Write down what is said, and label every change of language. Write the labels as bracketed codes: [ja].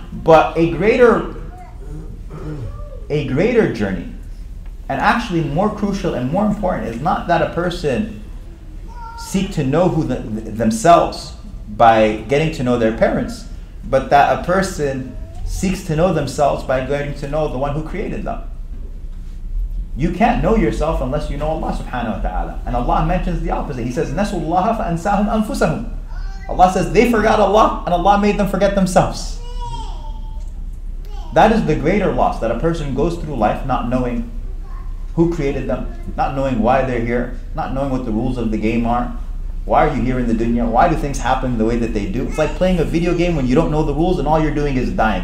[en] But a greater journey, and actually more crucial and more important, is not that a person seek to know who themselves by getting to know their parents, but that a person seeks to know themselves by getting to know the one who created them. You can't know yourself unless you know Allah subhanahu wa ta'ala. And Allah mentions the opposite. He says, [ar] نَسُوا اللَّهَ فَأَنْسَاهُمْ أَنفُسَهُمْ. [en] Allah says, they forgot Allah, and Allah made them forget themselves. That is the greater loss, that a person goes through life not knowing who created them, not knowing why they're here, not knowing what the rules of the game are. Why are you here in the dunya? Why do things happen the way that they do? It's like playing a video game when you don't know the rules and all you're doing is dying.